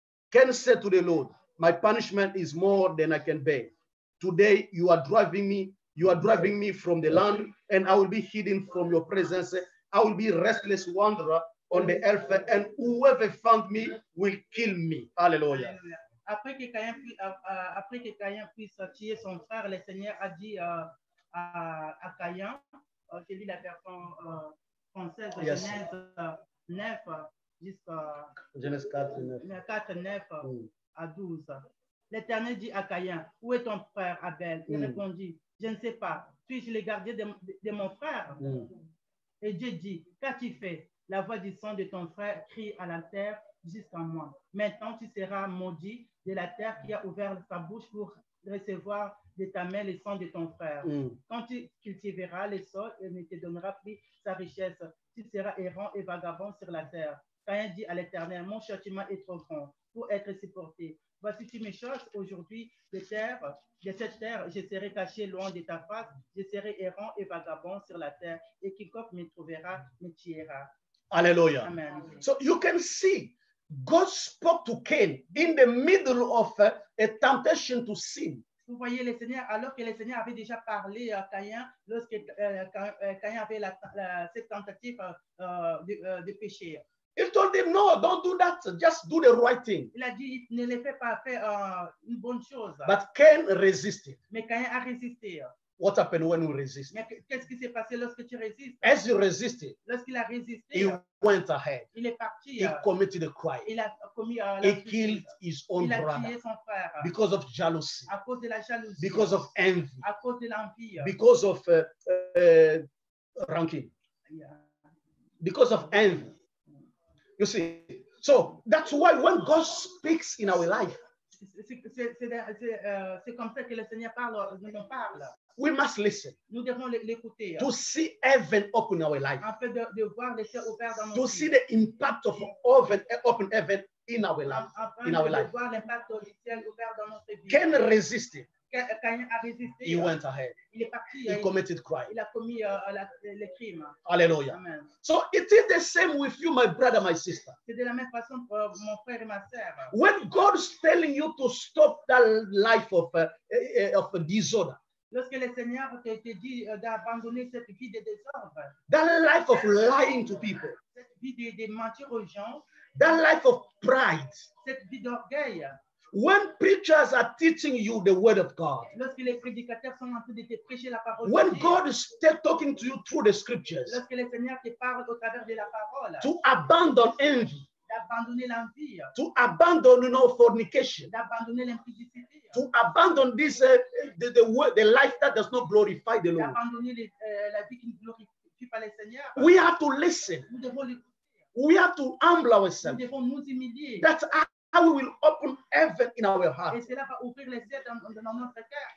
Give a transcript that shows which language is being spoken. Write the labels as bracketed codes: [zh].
[en] Cain said to the Lord, my punishment is more than I can bear. Today you are driving me from the land, and I will be hidden from your presence I will be restless wanderer on the earth, and whoever found me will kill me. [fr] Alléluia. Après que Caïn puisse tuer son frère, le Seigneur a dit à Caïn, j'ai lu la version française, yes. Genèse 9, jusqu'à Genèse 4, 9, 4, 9 à 12. L'Éternel dit à Caïn, où est ton frère Abel? Il répondit, je ne sais pas, suis-je le gardien de mon frère? Et Dieu dit, qu'as-tu fait? La voix du sang de ton frère crie à la terre jusqu'à moi. Maintenant, tu seras maudit de la terre qui a ouvert sa bouche pour recevoir de ta main le sang de ton frère. Quand tu cultiveras le sol, il ne te donnera plus sa richesse. Tu seras errant et vagabond sur la terre. Caïn dit à l'Éternel, mon châtiment est trop grand pour être supporté. Voici, tu me chasses aujourd'hui de terre, de cette terre, je serai caché loin de ta face, je serai errant et vagabond sur la terre, et quiconque me trouvera me tuera. Alléluia. Amen. [en] So you can see, God spoke to Cain in the middle of a temptation to sin. [fr] Vous voyez, le Seigneur, alors que le Seigneur avait déjà parlé à Caïn, lorsque Caïn avait cette tentative de péché. [en] He told him, no, don't do that. Just do the right thing. [fr] Il a dit, ne le fais pas, fais une bonne chose. [en] But Cain resisted. [fr] Mais Caïn a résisté. [en] What happened when we resist? [fr] Mais qu'est-ce qui s'est passé lorsque tu résistes? [en] As he resisted, [fr] lorsqu'il a résisté, [en] he went ahead. [fr] Il est parti. [en] He committed a crime. [fr] Il a commis un [en] crime. He killed his own brother. [fr] Il a tué son frère. [en] Because of jealousy. [fr] À cause de la jalousie. [en] Because of envy. [fr] À cause de l'envie. [en] Because of ranking. Yeah. Because of envy. You see, so that's why when God speaks in our life, [fr] c'est comme ça que le Seigneur parle, nous en parle. [en] We must listen. [fr] Nous devons l'écouter. [en] To see heaven open our life. [fr] Afin de voir les cieux ouverts dans nos to vies. [en] See the impact of heaven, open heaven in our life. [fr] Afin de [en] life. [fr] Voir l'impact du ciel ouvert dans notre vie. [en] Can resist it. [fr] Quand [en] il went ahead. [fr] Il est parti. [en] He committed crime. [fr] Il a commis le crime. Alléluia. Amen. [en] So it is the same with you, my brother, my sister. [fr] C'est de la même façon pour mon frère et ma sœur. [en] When God's telling you to stop that life of disorder. [fr] Lorsque le Seigneur te dit d'abandonner cette vie de désordre. [en] That life of lying to people. [fr] Cette vie de mentir aux gens. [en] That life of pride. [fr] Cette vie d'orgueil. [en] When preachers are teaching you the word of God, [fr] lorsque les prédicateurs sont en train de te prêcher la parole, [en] when God is still talking to you through the scriptures, [fr] lorsque le Seigneur te parle au travers de la parole, [en] to abandon envy, [fr] d'abandonner l'envie, [en] to abandon fornication, [fr] d'abandonner l'impudicité, [en] to abandon this the word, the life that does not glorify the Lord, [fr] d'abandonner la vie qui ne glorifie pas le Seigneur, [en] we have to listen, [fr] nous devons l'écouter, [en] we have to humble ourselves, [fr] nous devons nous humilier. [en] That's how we will open heaven in our heart. [fr] Et cela va ouvrir les yeux dans notre cœur.